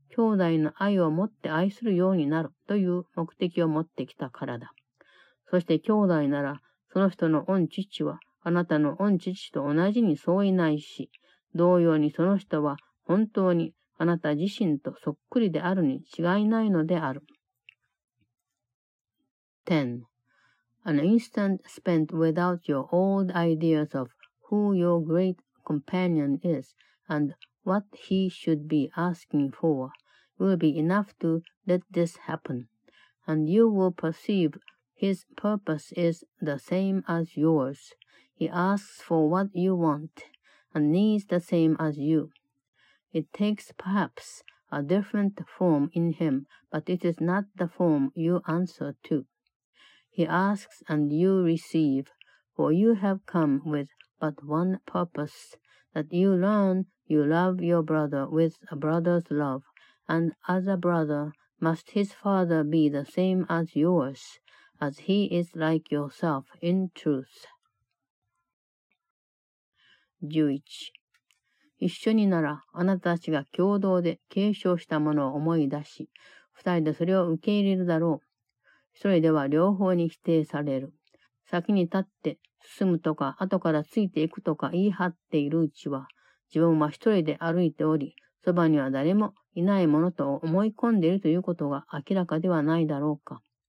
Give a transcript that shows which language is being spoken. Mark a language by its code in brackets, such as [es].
[ja] 兄弟の愛を持って愛するようになるという目的を持ってきたからだ。そして兄弟なら、その人の御父はあなたの御父と同じに相違ないし、同様にその人は本当にあなた自身とそっくりであるに違いないのである。 10. [en] An instant spent without your old ideas of who your great companion is and what he should be asking for will be enough to let this happen, and you will perceive his purpose is the same as yours. He asks for what you want and needs the same as you. It takes perhaps a different form in him, but it is not the form you answer to. He asks and you receive, for you have come with but one purpose, that you learn you love your brother with a brother's love, and as a brother must his father be the same as yours, as he is like yourself in truth. [ja] 11. 一緒にならあなたたちが共同で継承したものを思い出し、二人でそれを受け入れるだろう。それでは両方に否定される。先に立って進むとか、後からついていくとか言い張っているうちは、自分は一人で歩いており、そばには誰もいないものと思い込んでいるということが明らかではないだろうか。